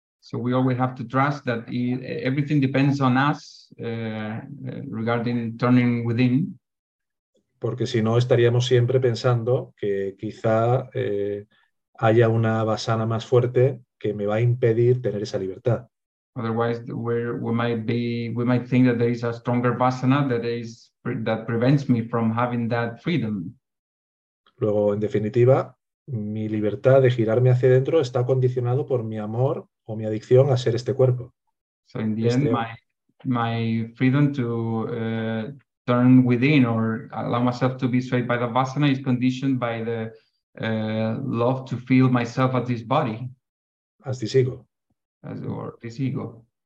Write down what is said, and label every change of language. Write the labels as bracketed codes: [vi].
[en] So we always have to trust that everything depends on us regarding turning within. [es] Porque si no, estaríamos siempre pensando que quizá haya una vasana más fuerte que me va a impedir tener esa libertad. [en] Otherwise, we might think that there is a stronger vasana that prevents me from having that freedom. [es] Luego, en definitiva, mi libertad de girarme hacia adentro está condicionado por mi amor o mi adicción a ser este cuerpo. [en] So in the end, my freedom to turn within or allow myself to be swayed by the vasana is conditioned by the love to feel myself as this body. As this ego. As or this ego.